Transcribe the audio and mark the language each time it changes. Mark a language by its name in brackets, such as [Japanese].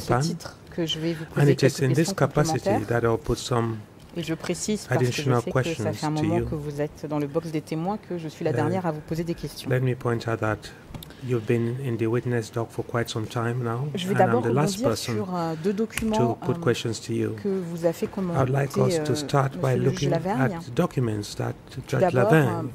[French] C'est à ce titre que je vais vous poser quelques questions complémentaires. Et je précise parce que je sais que ça fait un moment que vous êtes dans le box des témoins que je suis la dernière à vous poser des questions. [English] Let me point out that you've been in the witness dock for quite some time now. [French] Je vais d'abord rebondir sur deux documents que vous avez fait commenter. [English] I'd like us to start by looking at the documents that Judge Lavergne.